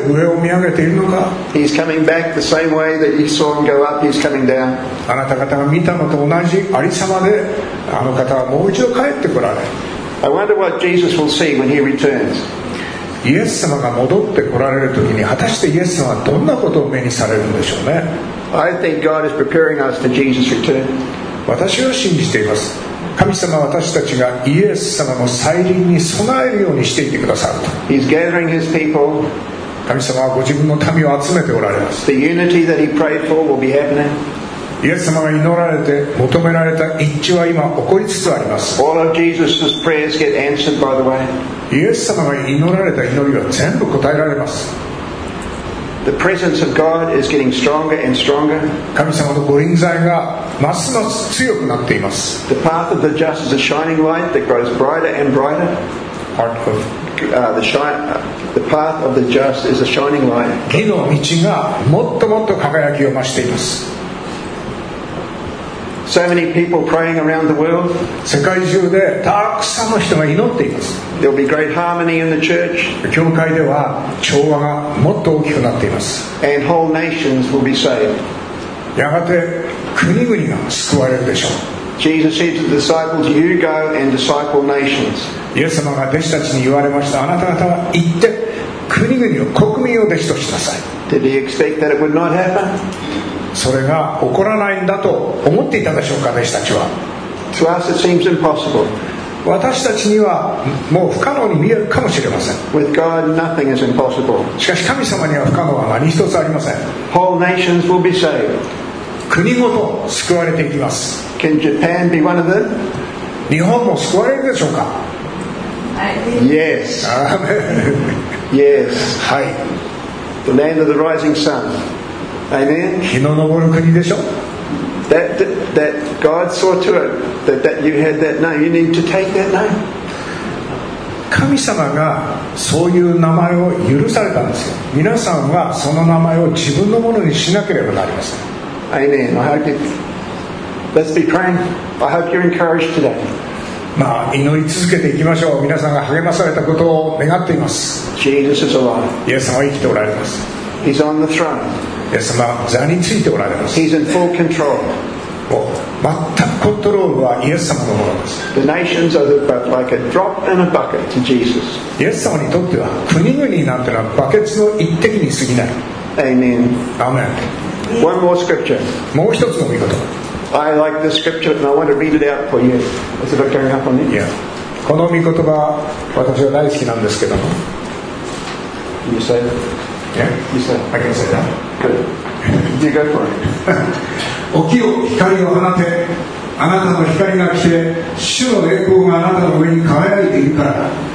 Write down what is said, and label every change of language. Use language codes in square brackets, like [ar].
[en] He's coming back the same way that you saw him go up, he's coming down. [ja] あなた方が見たのと同じありさまで、あの方はもう一度帰ってこられ。 [en] I wonder what Jesus will see when he returns. [ja] イエス様が戻ってこられるときに、果たしてイエス様はどんなことを目にされるんでしょうね。 [en] I think God is preparing us for Jesus' return. [ja] 私は信じています。神様は私たちがイエス様の再臨に備えるようにしていてくださると。 [en] He's gathering his people. [ja] 神様はご自分の民を集めておられます。 [en] The unity that he prayed for will be happening. [ja] イエス様が祈られて求められた一致は今起こりつつあります。 [en] All of Jesus's prayers get answered, by the way. [ja] イエス様が祈られた祈りは全部答えられます。 [en] The presence of God is getting stronger and stronger. [ja] 神様の御臨在がますます強くなっています。 [en] The path of the just is a shining light that grows brighter and brighter. Part of the path of the just is a shining light. [ja] 義の道がもっともっと輝きを増しています。 [en] So many people praying around the world. [ja] 世界中でたくさんの人が祈っています。 [en] There'll be great harmony in the church. [ja] 教会では調和がもっと大きくなっています。 [en] And whole nations will be saved. [ja] やがて国々が救われるでしょう。 [en] Jesus said to the disciples, "You go and disciple nations." [ja] イエス様が弟子たちに言われました。あなた方は行って国々を国民を弟子としなさい。 [en] Did he expect that it would not happen? [ja] それが起こらないんだと思っていたでしょうか、弟子たちは。 [en] To us it seems impossible. [ja] 私たちにはもう不可能に見えるかもしれません。 [en] With God, nothing is impossible. [ja] しかし神様には不可能は何一つありません。 [en] Whole nations will be saved. [ja] 国ごと救われていきます。 [en] Can Japan be one of them? [ja] 日本も救われるでしょうか。 [en] Yes. Amen. Yes. [ja] はい。 [en] The land of the rising sun. Amen. [ja] 日の昇る国でしょ。 [en] that God saw to it that you had that name. You need to take that name. [ja] 神様がそういう名前を許されたんですよ。皆さんはその名前を自分のものにしなければなりません。 [en] Amen. I hope you. Let's be praying. I hope you're encouraged today. [ja] まあ祈り続けていきましょう。皆さんが励まされたことを願っています。 [en] Jesus is alive. [ja] イエス様は生きておられます。 [en] He's on the throne. [ja] イエス様座についておられます。 [en] He's in full control. [ja] もう全くコントロールはイエス様のものです。 [en] The nations are like a drop in a bucket to Jesus. [ja] イエス様にとっては国々なんてのはバケツの一滴に過ぎない。 [en] Amen. Amen. One more scripture. [ja] もう一つの御言葉。 [en] I like this scripture and I want to read it out for you. Is it okay up on me? Yeah. [ja] この御言葉私は大好きなんですけども。 [en] You say it? Yeah. You say it. I can say that. Good. You go for it. [ja] 起きよ、光を放て。あなたの光が来て、主の栄光があなたの上に輝いているからだ。